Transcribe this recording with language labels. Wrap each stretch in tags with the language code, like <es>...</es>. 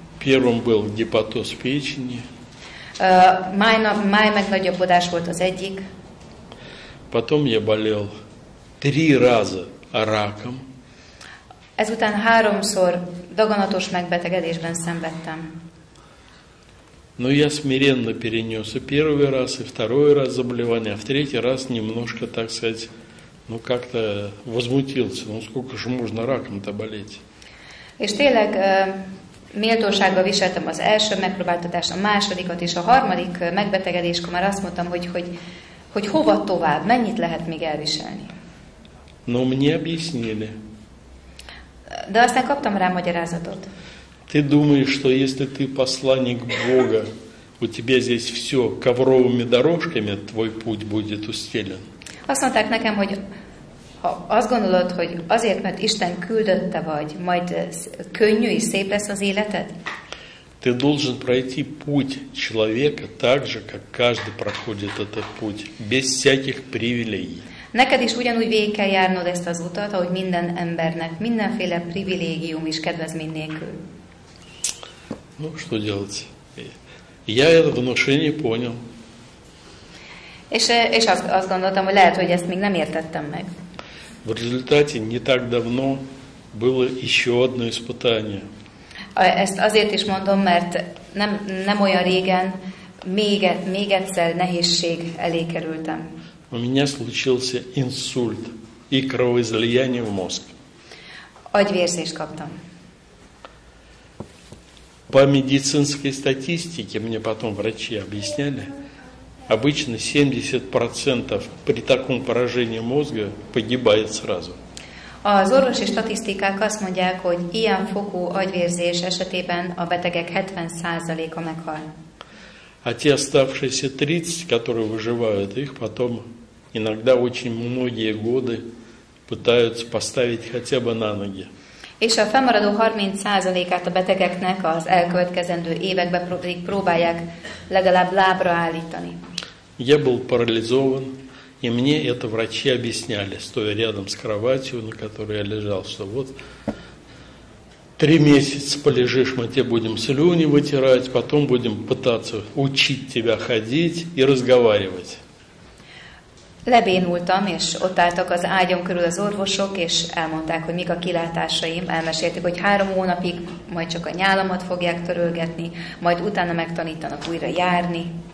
<ru>Первым был гепатоз печени.</ru> <hu>Май megnagyobbodás volt az egyik.</hu> <ru>Потом я болел 3 раза раком.</ru> <hu>Ezután 3-szor daganatos megbetegedésben szenvedtem.</hu> <ru>Но я смиренно перенес и первый раз, и второй раз заболевание, а в третий раз немножко, так сказать, ну как-то возмутился. Ну сколько же можно раком-то болеть?</ru> <hu>És tényleg méltósággal viseltem az első megpróbáltatást, a másodikat és a harmadik megbetegedéskor már azt mondtam, hogy hova tovább, mennyit lehet még elviselni?</hu> <ru>Но мне объяснили.</ru> <hu>De aztán kaptam rá magyarázatot.</hu> <ru>Ты думаешь, что если ты посланник Бога, у тебя здесь все ковровыми дорожками, твой путь будет устелен.</ru> <hu>Azt mondták nekem, hogy ha azt gondolod, hogy azért, mert Isten küldötte vagy, majd könnyű és szép lesz az életed?</hu> <ru>Ты должен пройти путь человека так же, как каждый проходит этот путь, без всяких привилегий.</ru> <hu>Neked is ugyanúgy végig kell járnod ezt az utat, ahogy minden embernek, mindenféle privilégium is kedvezmény nélkül.</hu> <ru>Ну, что делать? Я это внушение понял.</ru> <hu>És azt gondoltam, hogy lehet, hogy ezt még nem értettem meg.</hu> <ru>В результате не так давно было еще одно испытание.</ru> <hu>Ezt azért is mondom, mert нем оян реген még egyszer nehézség elé kerültem.</hu> <ru>У меня случился инсульт и кровоизлияние в мозг.</ru> <hu>Agyvérzést kaptam.</hu> <ru>По медицинской статистике, мне потом врачи объясняли, обычно 70% при таком поражении мозга погибает сразу.</ru> <hu>Az orvosi statisztikák azt mondják, hogy ilyen fokú agyvérzés esetében a betegek 70%-a meghal.</hu> <ru>А те оставшиеся 30, которые выживают, их потом иногда очень многие годы пытаются поставить хотя бы на ноги.</ru> <hu>És a fennmaradó 30%-át a betegeknek az elkövetkezendő években próbálják legalább lábra állítani.</hu> <ru>Я был парализован, и мне это врачи объясняли, стоя рядом с кроватью, на которой я лежал, что вот 3 месяца полежишь, мы тебе будем слюни вытирать, потом будем пытаться учить тебя ходить и разговаривать.</ru> <hu>Lebénultam, és ott álltak az ágyom körül az orvosok, és elmondták, hogy mik a kilátásaim, elmesélték, hogy 3 hónapig majd csak a nyálamat fogják törölgetni, majd utána megtanítanak újra járni.</hu>